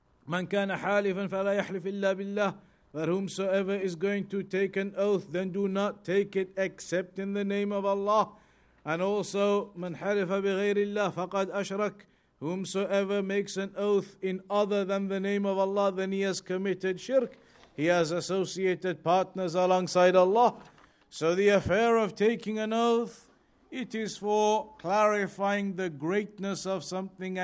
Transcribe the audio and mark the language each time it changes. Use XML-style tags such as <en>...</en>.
<ar>من كان حالفا فلا يحلف إلا بالله.</ar> <en>But whomsoever is going to take an oath, then do not take it except in the name of Allah. And also,</en> <ar>من حلف بغير الله فقد أشرك.</ar> <en>Whomsoever makes an oath in other than the name of Allah, then he has committed shirk. He has associated partners alongside Allah. So the affair of taking an oath, it is for clarifying the greatness of something.</en>